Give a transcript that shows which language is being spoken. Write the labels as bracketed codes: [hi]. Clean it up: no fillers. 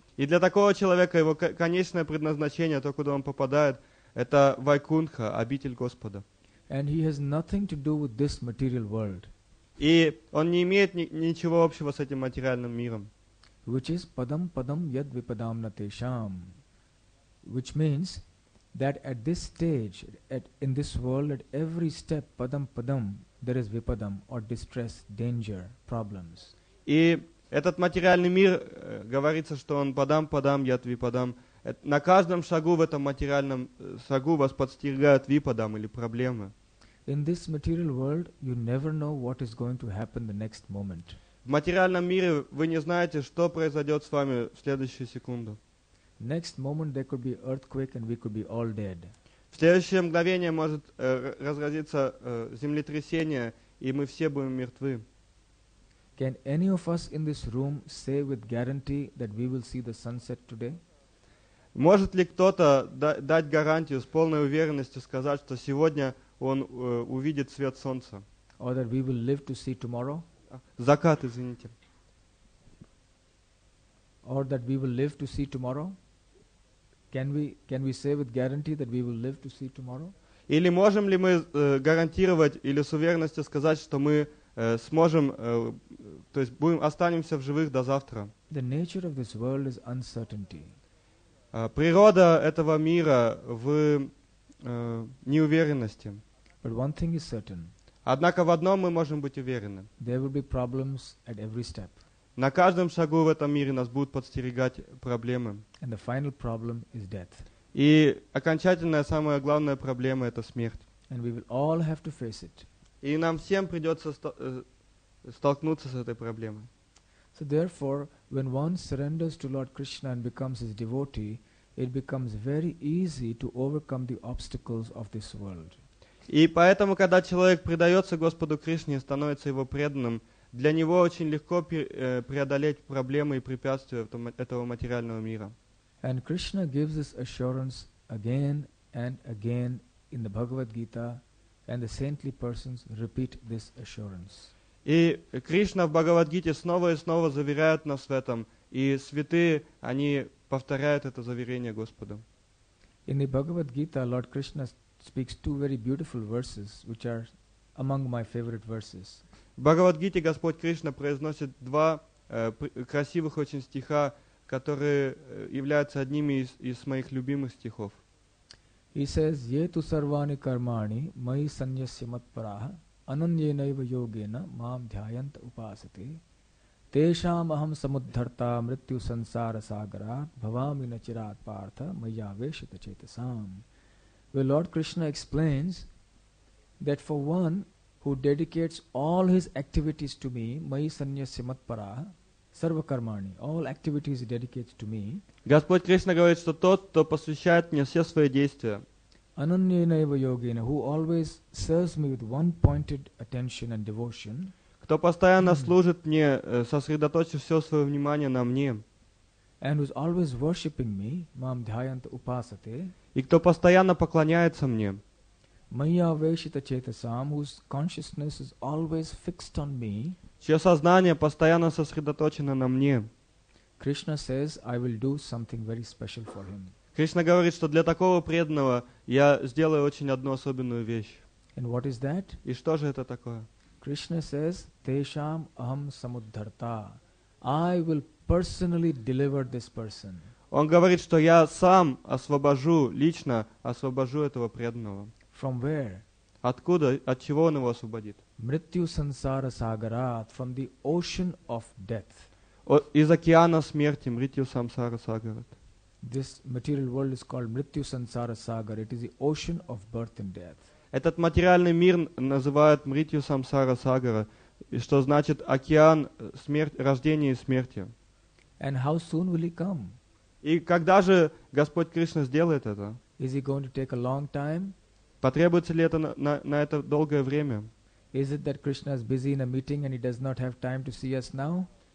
[ru] И для такого человека его конечное предназначение, то, куда он попадает, это Вайкунха, обитель Господа. [en] And he has nothing to do with this material world. [ru] И он не имеет ничего общего с этим материальным миром. [en] Which is [sa] Padam Padam Yad Vipadam Natesham, [en] which means that at this stage, at in this world, at every step, padam padam, there is vipadam, or distress, danger, problems. [ru] И этот материальный мир, говорится, что он [sa] падам падам, яд випадам. [ru] На каждом шагу в этом материальном шагу вас подстерегают випадам или проблемы. [en] In this material world, you never know what is going to happen the next moment. [ru] В материальном мире вы не знаете, что произойдет с вами в следующую секунду. [en] Next moment there could be earthquake and we could be all dead. [ru] В следующее мгновение может разразиться землетрясение, и мы все будем мертвы. [en] Can any of us in this room say with guarantee that we will see the sunset today? [ru] Может ли кто-то дать гарантию с полной уверенностью сказать, что сегодня он увидит свет солнца? [en] Or that we will live to see tomorrow? [ru] Закат, извините. [en] Or that we will live to see tomorrow? Can we say with guarantee that we will live to see tomorrow? [ru] Или можем ли мы гарантировать или с уверенностью сказать, что мы сможем, то есть будем останемся в живых до завтра? [en] The nature of this world is uncertainty. [ru] Природа этого мира в неуверенности. [en] But one thing is certain. [ru] Однако в одном мы можем быть уверены. [en] There will be problems at every step. [ru] На каждом шагу в этом мире нас будут подстерегать проблемы. [en] And the final problem is death. [ru] И окончательная, самая главная проблема – это смерть. [en] And we will all have to face it. [ru] И нам всем придется столкнуться с этой проблемой. [en] So therefore, when one surrenders to Lord Krishna and becomes his devotee, it becomes very easy to overcome the obstacles of this world. [ru] И поэтому, когда человек предается Господу Кришне и становится его преданным, для него очень легко преодолеть проблемы и препятствия этого материального мира. [en] And Krishna gives this assurance again and again in the Bhagavad Gita, and the saintly persons repeat this assurance. [ru] И Кришна в Бхагавад-гите снова и снова заверяет нас в этом, и святые, они повторяют это заверение Господу. [en] In the Bhagavad Gita, Lord Krishna speaks two very beautiful verses, which are among my favorite verses. [ru] В Бхагавад-гите Господь Кришна произносит два красивых очень стиха, которые являются одними из моих любимых стихов. [sa] He says, Yetu sarvani karmani, mai sanyasya matparaha, ananye naiva yogena, mam dhyayant upasati, tesham aham samuddharta mrityu sansara sagarat, bhavami nachirat partha, mayyaveshita chetasam. [en] Where Lord Krishna explains that for one, who dedicates all his activities to me, [sa] mai sanyasya matparaha, sarva karmani, [en] all activities he dedicates to me. [ru] Господь Кришна говорит, что тот, кто посвящает мне все свои действия, [sa] ananya naiva yogena, [en] who always serves me with one-pointed attention and devotion, [ru] кто постоянно служит мне, сосредоточив все свое внимание на мне, [en] and who's always worshipping me, [sa] mam dhyayanta upasate, [ru] и кто постоянно поклоняется мне, [sa] mayyaveshita chetasam, [en] whose consciousness is always fixed on me, [ru] чье сознание постоянно сосредоточено на мне, [en] Krishna says, I will do something very special for him. [ru] Кришна говорит, что для такого преданного я сделаю очень одну особенную вещь. [en] And what is that? [ru] И что же это такое? [en] Krishna says, [sa] Tesham Aham Samudharta. [en] I will personally deliver this person. [ru] Он говорит, что я сам освобожу, лично освобожу этого преданного. [en] From where? [ru] Откуда, от чего он его освободит? [sa] Мритью сансара сагарат, [en] from the ocean of death. [ru] Из океана смерти, [sa] мритью сансара сагарат. [en] This material world is called [sa] мритью сансара сагар. [en] It is the ocean of birth and death. [ru] Этот материальный мир называют мритью сансара сагара, что значит океан смерть, рождения и смерти. [en] And how soon will he come? [ru] И когда же Господь Кришна сделает это? [en] Is he going to take a long time? [ru] Потребуется ли это на это долгое время? [en] Is it that Krishna is busy in a meeting and he does not have time to see us now?